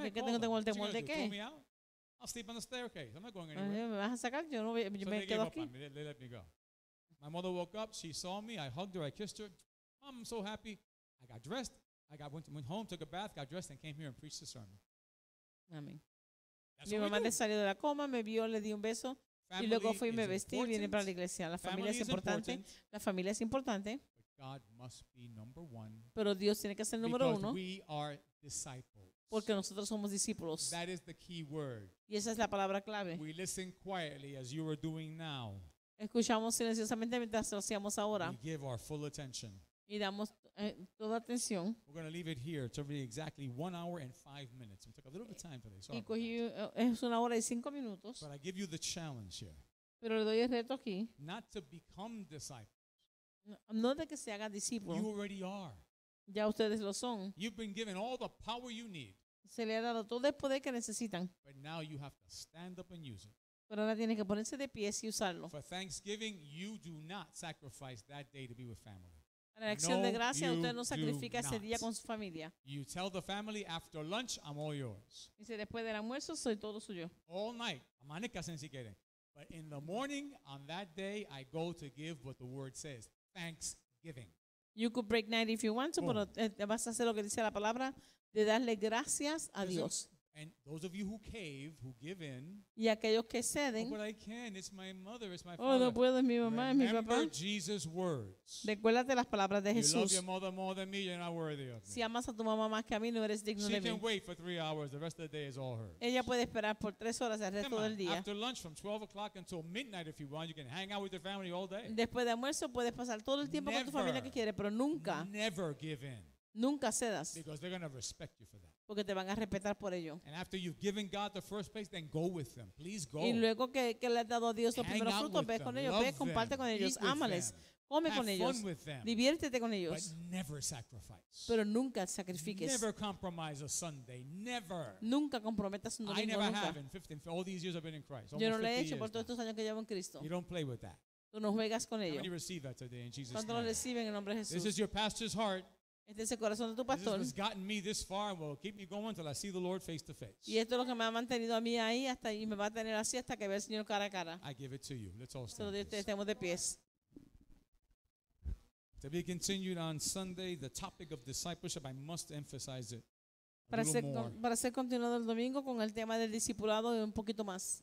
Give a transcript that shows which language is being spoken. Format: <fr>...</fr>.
<es>¿De qué tengo temor? ¿Temor de qué?</es> <en>I'll sleep on the staircase. I'm not going anywhere.</en> <es>¿Me vas a sacar? Yo no voy. Yo me quedo aquí.</es> <en>They let me go. My mother woke up. She saw me. I hugged her. I kissed her. Mom, I'm so happy. I got dressed, went home, took a bath, got dressed, and came here and preached the sermon.</en> <es>Amén. Mi mamá le salió de la coma, me vio, le di un beso.</es> <en>Family</en> <es>y luego fui y me vestí y vine para la iglesia. La familia es importante.</es> <en>Important,</en> <es>la familia es importante.</es> <en>But God must be number one,</en> <es>pero Dios tiene que ser número uno.</es> <en>We are disciples.</en> <es>Porque nosotros somos discípulos.</es> <en>That is the key word.</en> <es>Y esa es la palabra clave.</es> <en>We listen quietly, as you are doing now.</en> <es>Escuchamos silenciosamente mientras lo hacíamos ahora.</es> <en>We give our full attention.</en> <es>Y damos toda atención.</es> <en>We're going to leave it here. It's already exactly 1 hour and 5 minutes. We took a little bit of time for this.</en> <es>Y cogí, es 1 hora y 5 minutos.</es> <en>But I give you the challenge here.</en> <es>Pero le doy el reto aquí.</es> <en>Not to become disciples.</en> <es>No, no de que se haga discípulo.</es> <en>You already are.</en> <es>Ya ustedes lo son.</es> <en>You've been given all the power you need.</en> <es>Se le ha dado todo el poder que necesitan.</es> <en>But now you have to stand up and use it.</en> <es>Pero ahora tiene que ponerse de pie y usarlo.</es> <en>For Thanksgiving, you do not sacrifice that day to be with family.</en> <es>En la acción de gracia, usted no sacrifica ese día con su familia.</es> <en>You tell the family after lunch, I'm all yours.</en> <es>Dice, después del almuerzo, soy todo suyo.</es> <en>All night,</en> <es>amanecasen si quieren.</es> <en>But in the morning, on that day, I go to give what the word says, thanksgiving. You could break night if you want to,</en> <es>pero vas a hacer lo que dice la palabra, de darle gracias a Dios.</es> <en>And those of you who cave, who give in,</en> <es>y aquellos que ceden,</es> <en>oh, but I can, it's my mother, it's my oh, father.</en> <es>No puedo, mi mamá,</es> <en>remember</en> <es>mi papá.</es> <en>Jesus' words.</en> <es>Recuérdate las palabras de Jesús.</es> <en>You love your mother more than me, you're not worthy of me.</en> <es>Si amas a tu mamá más que a mí, no eres digno</es> <en>she can</en> <es>mí.</es> <en>Wait for 3 hours, the rest of the day is all hers.</en> <es>Ella puede esperar por 3 horas el resto del día.</es> <en>After lunch, from 12 o'clock until midnight, if you want, you can hang out with your family all day.</en> <es>Después de almuerzo, puedes pasar todo el tiempo</es> <en>never,</en> <es>con tu familia que quieres, pero nunca,</es> <en>never give in.</en> <es>Nunca cedas.</es> <en>Because they're going to respect you for that.</en> <es>Porque te van a respetar por ello.</es> <en>And after you've given God the first place, then go with them. Please go.</en> <es>Y luego que le has dado a Dios los primeros frutos, ve con ellos, ve, comparte con ellos, ámales, come con ellos, diviértete con ellos.</es> <en>But never sacrifice.</en> <es>Pero nunca sacrifiques.</es> <en>Never compromise a Sunday. Never.</en> <es>Nunca comprometas un domingo.</es> <en>I never have in 15, all these years I've been in Christ.</en> <es>Yo no lo he hecho por todos estos años que llevo en Cristo.</es> <en>You don't play with that.</en> <es>Tú no juegas con ello.</es> <en>How many receive that today in Jesus'</en> <es>name? ¿Cuántos reciben en nombre de Jesús?</es> <en>This is your pastor's heart.</en> <es>Este es el corazón de tu pastor.</es> <en>This has gotten me this far and will keep me going until I see the Lord face to face.</en> <es>Y esto es lo que me ha mantenido a mí ahí hasta y me va a tener así hasta que vea al Señor cara a cara.</es> <en>I give it to you. Let's all stand.</en> <es>Todos ustedes estemos de pies.</es> <en>To be continued on Sunday, the topic of discipleship, I must emphasize it.</en> <es>Para ser continuado el domingo con el tema del discipulado un poquito más.</es>